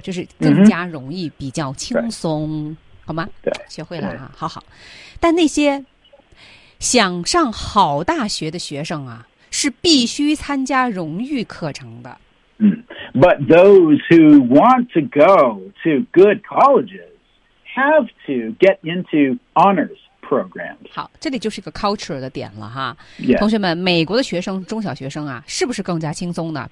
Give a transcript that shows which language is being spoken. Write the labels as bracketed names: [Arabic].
[Chinese] 就是更加容易，比较轻松，好吗？对，学会了啊，好好。但那些想上好大学的学生啊，是必须参加荣誉课程的。 [English] But those who want to go to good colleges have to get into honors. Programs. [Chinese] 好，这里就是一个 culture 的点了哈。 [English] Yes. [Chinese] 同学们，美国的学生，中小学生啊，是不是更加轻松呢？